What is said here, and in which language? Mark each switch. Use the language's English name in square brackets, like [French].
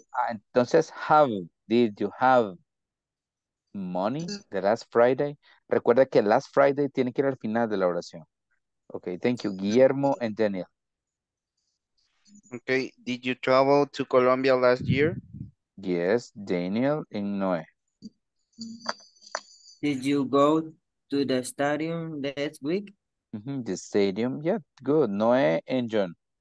[English] Entonces, did you have money the last Friday? [Spanish] Recuerda que last Friday tiene que ir al final de la oración. [English] Ok, thank you, Guillermo and Daniel. Okay, did you travel to Colombia last year? Yes, Daniel and Noé. Did you go to the stadium this week? Mm-hmm, the stadium, yeah, good. Noé and John.